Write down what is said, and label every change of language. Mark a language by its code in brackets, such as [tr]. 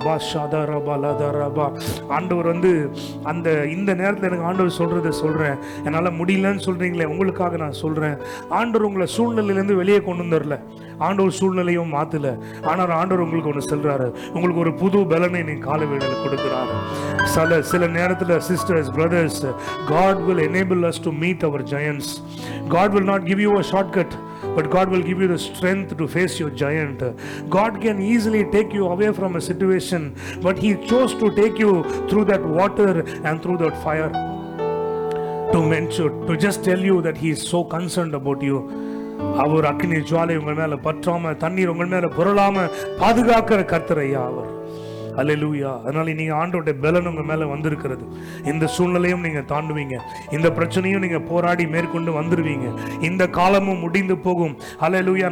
[ta] பா ஷாதா ரபா லாதா ரபா. ஆண்டவர் வந்து அந்த இந்த நேரத்தில் எனக்கு ஆண்டவர் சொல்கிறத சொல்கிறேன், என்னால் முடியலன்னு சொல்கிறீங்களே உங்களுக்காக நான் சொல்கிறேன். ஆண்டவர் உங்களை சூழ்நிலையிலேருந்து வெளியே கொண்டு வந்துடல, ஆண்டவர் சூழ்நிலையும் மாற்றல, ஆனால் ஆண்டவர் உங்களுக்கு ஒன்று சொல்கிறாரு, உங்களுக்கு ஒரு புது பலனை நீ காலை வேளையில் கொடுக்குறாரு. சில நேரத்தில் sisters brothers, [en] God will enable us to meet our giants. God will not give you a shortcut, but God will give you the strength to face your giant. God can easily take you away from a situation, but He chose to take you through that water and through that fire. To just tell you that He is so concerned about you. [ta] அவர் அக்னி ஜுவாலை உங்கள் மேல பற்றாம, தண்ணீர் உங்கள் மேல புரளாம பாதுகாக்கிற கர்த்தர் ஐயா அவர். அல்லேலூயா. அதனால நீங்க ஆண்டவருடைய பலன் உங்க மேல வந்திருக்கிறது. இந்த சூழ்நிலையும் நீங்க தாண்டுவீங்க, இந்த பிரச்சனையும் நீங்க போராடி மேற்கொண்டு வந்துருவீங்க, இந்த காலமும் முடிந்து போகும். அல்லேலூயா.